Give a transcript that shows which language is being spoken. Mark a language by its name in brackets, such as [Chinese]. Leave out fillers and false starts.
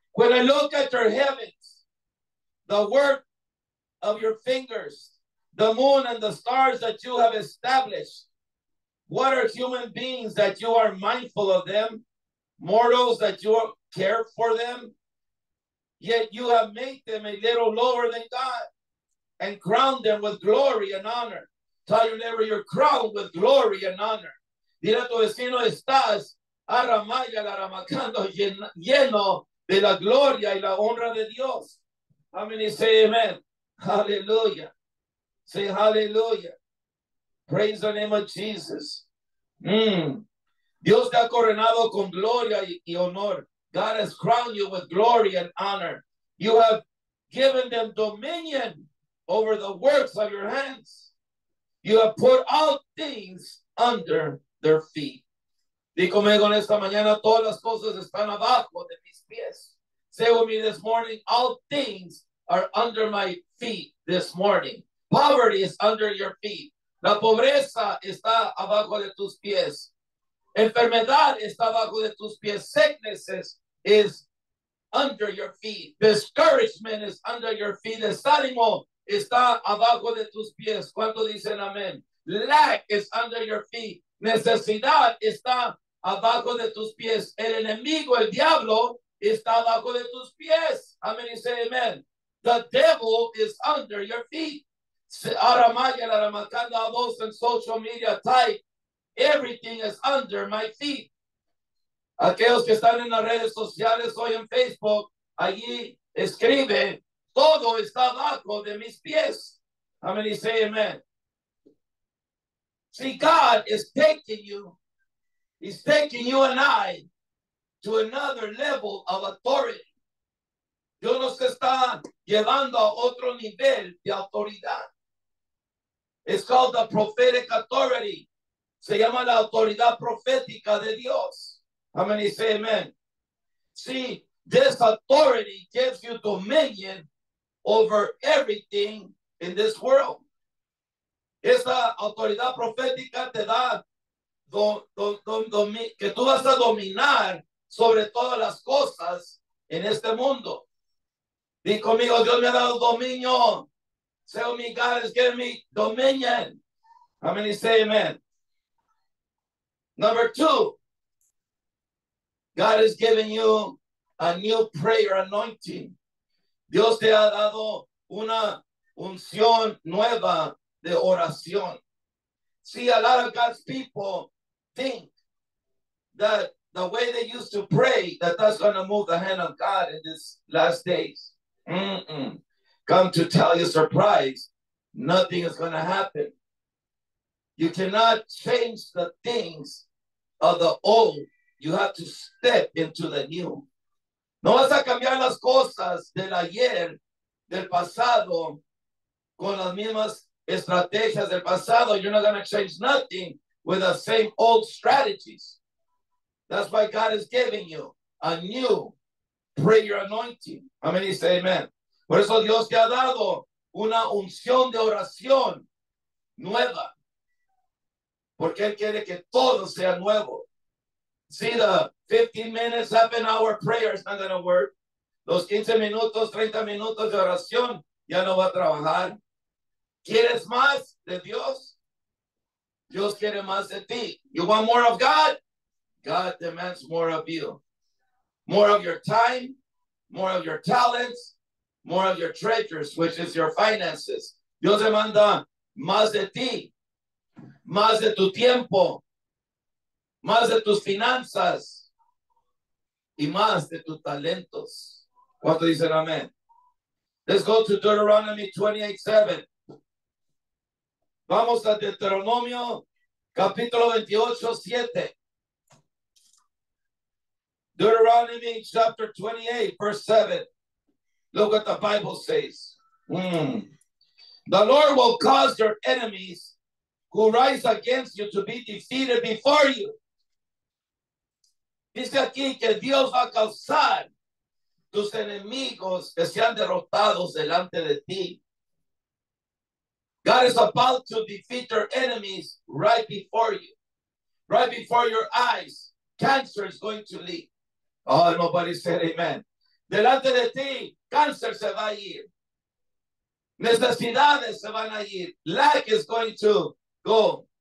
[English] When I look at your heavens, the work of your fingers, the moon and the stars that you have established, what are human beings that you are mindful of them, mortals that you care for them? Yet you have made them a little lower than God and crowned them with glory and honor. Tell your neighbor, you're crowned with glory and honor. [Spanish] Dile a tu vecino, estás aramayalaramacando lleno de la gloria y la honra de Dios. [English] How many say amen? Hallelujah. Say hallelujah. Praise the name of Jesus. [Spanish] Dios te ha coronado con gloria y honor. [English] God has crowned you with glory and honor. You have given them dominion over the works of your hands. You have put all things under their feet. [Spanish] Digo conmigo en esta mañana, todas las cosas están abajo de mis pies. [English] Say with me this morning, all things are under my feet this morning. Poverty is under your feet. [Spanish] La pobreza está abajo de tus pies. Enfermedad está abajo de tus pies. [English] Sicknesses is under your feet. Discouragement is under your feet. [Spanish] Desánimo está abajo de tus pies. ¿Cuánto dicen amén? [English] Lack is under your feet. [Spanish] Necesidad está abajo de tus pies. El enemigo, el diablo, está abajo de tus pies. Amén y [English] say amén. The devil is under your feet. Aramaya, la ramacanda, a vos en social media type. Everything is under my feet. [Spanish] Aquellos que están en las redes sociales, hoy en Facebook, allí escribe, todo está abajo de mis pies. Amén y [English] say amén. See, God is taking you, he's taking you and I to another level of authority. [Spanish] Dios nos está llevando a otro nivel de autoridad. [English] It's called the prophetic authority. [Spanish] Se llama la autoridad profética de Dios. [English] Amen. Say amen. See, this authority gives you dominion over everything in this world. [Spanish] Esa autoridad profética te da que tú vas a dominar sobre todas las cosas en este mundo. Di conmigo, Dios me ha dado dominio. [English] Say, me, God has given me dominion. How many say amen? Number two, God has given you a new prayer anointing. [Spanish] Dios te ha dado una unción nueva de oración. [English] See, a lot of God's people think that the way they used to pray, that that's going to move the hand of God in these last days. Mm-mm. Come to tell you, surprise, nothing is going to happen. You cannot change the things of the old. You have to step into the new. [Spanish] No vas a cambiar las cosas del ayer, del pasado, con las mismas estrategias del pasado. [English] You're not going to change nothing with the same old strategies. That's why God is giving you a new prayer anointing. How many say amen? [Spanish] Por eso Dios te ha dado una unción de oración nueva. Porque Él quiere que todo sea nuevo. [English] See, the 15 minutes, half an hour prayer is not going to work. [Spanish] Los 15 minutos, 30 minutos de oración ya no va a trabajar. ¿Quieres más de Dios? Dios quiere más de ti. [English] You want more of God? God demands more of you. More of your time, more of your talents, more of your treasures, which is your finances. [Spanish] Dios demanda más de ti, más de tu tiempo, más de tus finanzas y más de tus talentos. ¿Cuánto dicen amén? [English] Let's go to Deuteronomy 28:7. [Spanish] Vamos a Deuteronomio capítulo 28:7. [English] Deuteronomy chapter 28, verse 7. Look what the Bible says. The Lord will cause your enemies who rise against you to be defeated before you. [Spanish] Dice aquí que Dios va a causar tus enemigos que sean derrotados delante de ti. [English] God is about to defeat your enemies right before you. Right before your eyes, cancer is going to leave. Oh, nobody said amen. [Spanish] Delante de ti, cáncer se va a ir. Necesidades se van a ir. [English] Lack is going to go.